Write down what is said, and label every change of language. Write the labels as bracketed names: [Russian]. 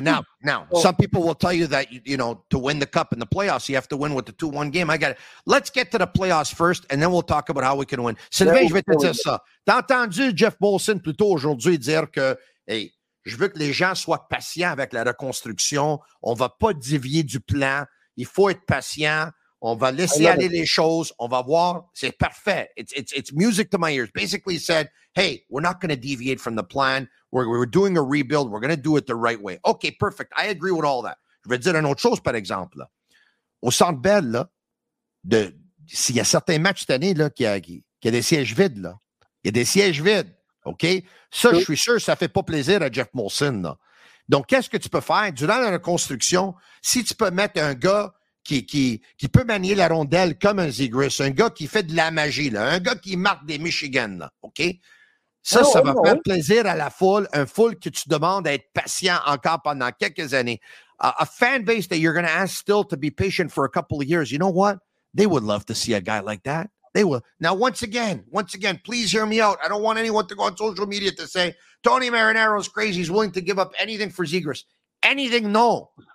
[English] Now, some people will tell you that, you know, to win the cup in the playoffs, you have to win with the 2-1 game. I got it. Let's get to the playoffs first, and then we'll talk about how we can win. [French] Sylvain, je vais te dire ça. T'as entendu Jeff Molson plus tôt aujourd'hui dire que, hey, je veux que les gens soient patients avec la reconstruction. On va pas dévier du plan. Il faut être patient. On va laisser aller les choses. On va voir. C'est parfait. [English] It's music to my ears. Basically said, hey, we're not going to deviate from the plan. We're doing a rebuild. We're going to do it the right way. Okay, perfect. I agree with all that. [French] Je vais dire une autre chose, par exemple. Au Centre Bell, s'il y a certains matchs cette année, qu'il y a des sièges vides. Là. Il y a des sièges vides. Okay? Ça, je suis sûr, ça ne fait pas plaisir à Jeff Molson. Là. Donc, qu'est-ce que tu peux faire? Durant la reconstruction, si tu peux mettre un gars qui peut manier la rondelle comme un Zegras, un gars qui fait de la magie, là, un gars qui marque des Michigan, là, OK? Ça va faire plaisir à la foule, un foule que tu demandes à être patient encore pendant quelques années. [English] A fan base that you're going to ask still to be patient for a couple of years, you know what? They would love to see a guy like that. They will. Now, once again, please hear me out. I don't want anyone to go on social media to say, Tony Marinaro's crazy, he's willing to give up anything for Zegras. Anything, no.